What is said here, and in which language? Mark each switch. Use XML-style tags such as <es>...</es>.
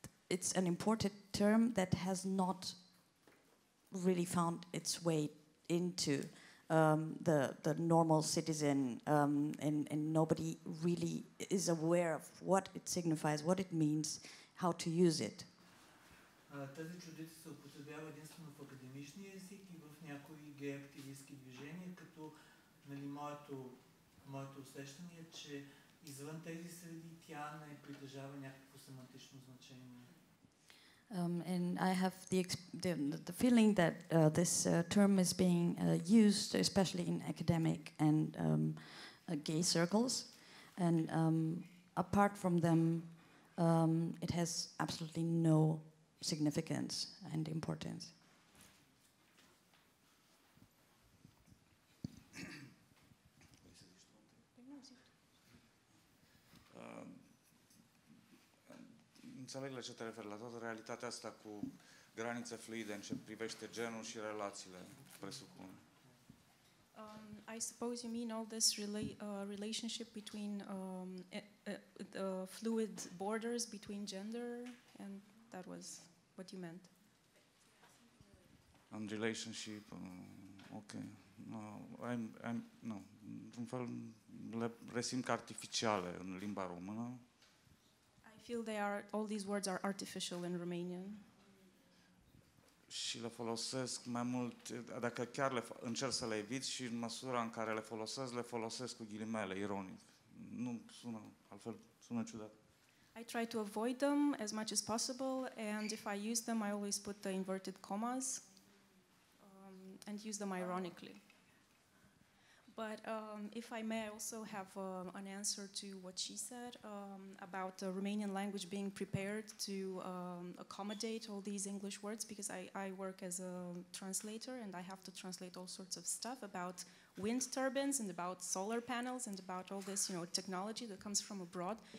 <en>it's an imported term that has not really found its way into the normal citizen, and nobody really is aware of what it signifies, what it means, how to use it.</en> <bg>Тази чудица се употребява единствено в академичния език и в някои гей-активистки движения, като моето усещане е, че извън тези среди тя не притежава някакво семантично значение.</bg> <en>And I have the feeling that this term is being used, especially in academic and gay circles. And apart from them, it has absolutely no significance and importance.</en> <ro>Înțeleg la ce te referi, la toată realitatea asta cu granițe fluide în ce privește genul și relațiile, presupun.</ro> <en>I suppose you mean all this relationship between the fluid borders between gender, and that was what you meant. And relationship, okay. No, no.</en> <ro>Într-un fel le resimt ca artificiale în limba română.</ro> <en>I feel they are all these words are artificial in Romanian.</en> <ro>Și le folosesc mai mult, dacă chiar le încerc să le evit și în măsura în care le folosesc cu ghilimele, ironic. Nu sună altfel, sună ciudat.</ro> <en>I try to avoid them as much as possible, and if I use them, I always put the inverted commas and use them ironically. But if I may, I also have an answer to what she said about the Romanian language being prepared to accommodate all these English words, because I work as a translator and I have to translate all sorts of stuff about wind turbines and about solar panels and about all this, you know, technology that comes from abroad.</en>